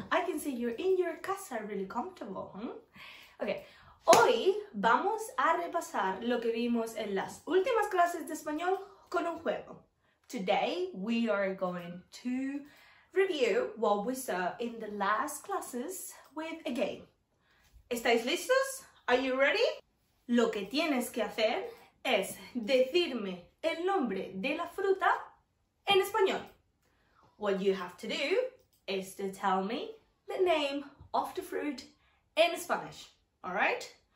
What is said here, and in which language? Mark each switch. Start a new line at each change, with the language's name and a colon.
English: I can see you're in your casa really comfortable, ¿eh?
Spanish: Okay, hoy vamos a repasar lo que vimos en las últimas clases de español con un juego.
English: Today we are going to review what we saw in the last classes with a game.
Spanish: ¿Estáis listos?
English: Are you ready?
Spanish: Lo que tienes que hacer es decirme el nombre de la fruta en español.
English: What you have to do is to tell me the name of the fruit in Spanish, all right?